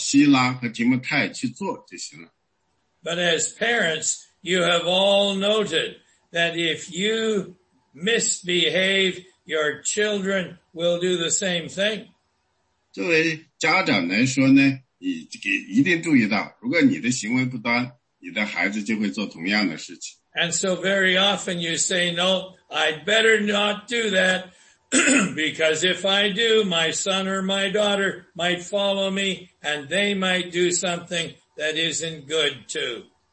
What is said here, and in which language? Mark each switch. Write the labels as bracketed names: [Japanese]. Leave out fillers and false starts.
[Chinese] 对帖撒罗尼迦的基督徒呢,是一个很容易取得胜的,因为他们只是照着保罗、希拉和提摩太去做就行了。 [English] But as parents, you have all noted that if you misbehave, your children will do the same thing. [Chinese] 作为家长来说呢,你一定注意到,如果你的行为不端,你的孩子就会做同样的事情。 [English] And so very often you say, no, I'd better not do that, because if I do, my son or my daughter might follow me, and they might do something that isn't good too.